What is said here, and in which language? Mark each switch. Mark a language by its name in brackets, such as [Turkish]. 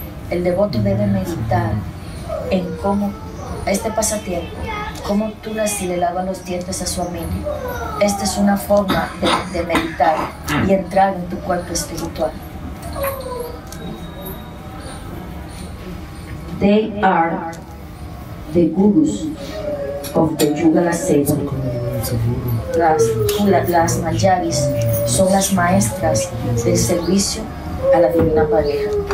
[Spanish] El devoto debe meditar en cómo este pasatiempo, cómo Tulasi le lava los dientes a su amigo. Esta es una forma de meditar y entrar en tu cuerpo espiritual. [English] They are the gurus of the Yugala Seva. [Spanish] Las Kulas Manjaris son las maestras del servicio a la divina pareja.